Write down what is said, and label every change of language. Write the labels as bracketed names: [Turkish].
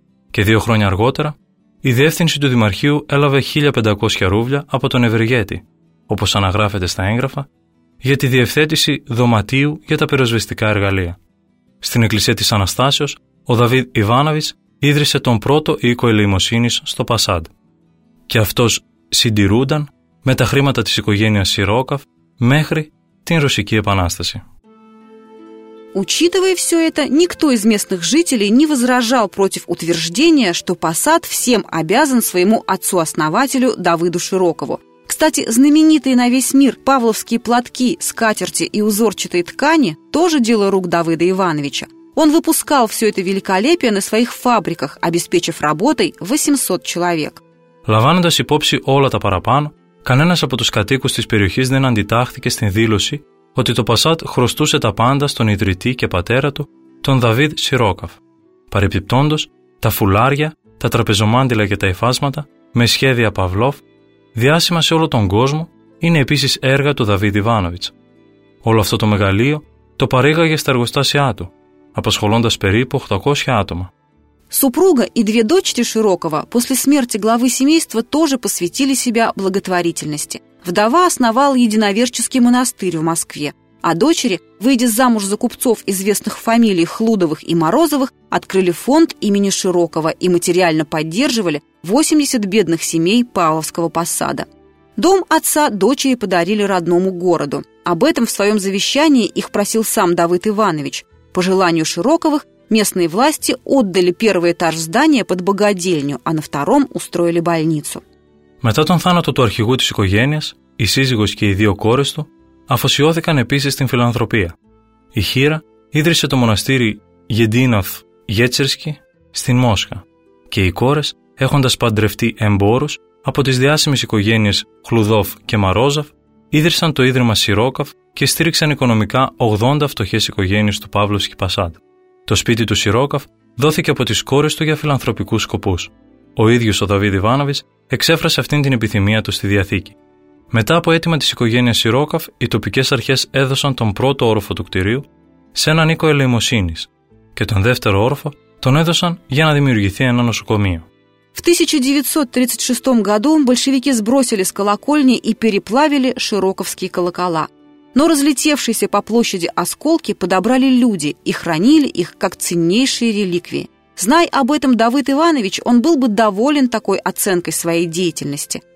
[Greek] Και 2 χρόνια αργότερα, η διεύθυνση του δημαρχείου έλαβε 1500 ρούβλια από τον Ευεργέτη, όπως αναγράφεται στα έγγραφα, για τη διευθέτηση δωματίου για τα πυροσβεστικά εργαλεία. Στην εκκλησία της Αναστάσεως, ο Δαβίδ Ιβάνοβιτς ίδρυσε τον πρώτο οίκο ελεημοσύνης στο Πασάντ. Και αυτός συντηρούνταν με τα χρήματα της οικογένειας Σιρόκαφ μέχρι την Ρωσική Επανάσταση. [Russian] Учитывая все это, никто из местных жителей не возражал против утверждения, что Пассат всем обязан своему отцу-основателю Давыду Широкову. Кстати, знаменитые на весь мир павловские платки, скатерти и узорчатые ткани – тоже дело рук Давыда Ивановича. Он выпускал все это великолепие на своих фабриках, обеспечив работой 800 человек. [Greek] Лавандас υπόψη όλα τα παραπάνω, κανένας από τους κατοίκους της περιοχής δεν αντιτάχθηκε στην δήλωση ότι το Πασάτ χρωστούσε τα πάντα στον ιδρυτή και πατέρα του, τον Δαβίδ Σιρόκαφ. Παρεπιπτόντως, τα φουλάρια, τα τραπεζομάντιλα και τα υφάσματα, με σχέδια Παυλόφ, διάσημα σε όλο τον κόσμο, είναι επίσης έργα του Δαβίδ Ιβάνοβιτς. Όλο αυτό το μεγαλείο το παρήγαγε στα εργοστάσια του, απασχολώντας περίπου 800 άτομα. [Russian] Супруга и две дочери Широкова после смерти главы семейства тоже посвятили себя благотворительности. Вдова основала единоверческий монастырь в Москве, а дочери, выйдя замуж за купцов известных фамилий Хлудовых и Морозовых, открыли фонд имени Широкова и материально поддерживали 80 бедных семей Павловского посада. Дом отца дочери подарили родному городу. Об этом в своем завещании их просил сам Давыд Иванович. По желанию Широковых, местные власти отдали первый этаж здания под богадельню, а на втором устроили больницу. [Greek] Μετά τον θάνατο του αρχηγού της οικογένειας, η σύζυγος και οι δύο κόρες του αφοσιώθηκαν επίσης στην φιλανθρωπία. Η Χίρα ίδρυσε το μοναστήρι Γεντίναφ Γέτσερσκι στην Μόσχα και οι κόρες, έχοντας παντρευτεί εμπόρους από τις διάσημες οικογένειες Χλουδόφ και Μαρόζαφ, ίδρυσαν το Ίδρυμα Σιρόκαφ και στήριξαν οικονομικά 80 φτωχές οικογένειες του Παύλου Σκυπασάντ. Το σπίτι του Σιρόκαφ δόθηκε από τις κόρες του για φιλανθρωπικούς σκοπούς. Ο ίδιος ο Δαβίδ Ιβάνοβιτς εξέφρασε αυτήν την επιθυμία του στη Διαθήκη. Μετά από αίτημα της οικογένειας Σιρόκαφ, οι τοπικές αρχές έδωσαν τον πρώτο όροφο του κτηρίου σε έναν οίκο ελεημοσύνης και τον δεύτερο όροφο τον έδωσαν για να δημιουργηθεί ένα νοσοκομείο. [Russian] В 1936 году большевики сбросили с колокольни и переплавили широковские колокола. Но разлетевшиеся по площади осколки подобрали люди и хранили их как ценнейшие реликвии. Знай об этом Давыд Иванович, он был бы доволен такой оценкой своей деятельности.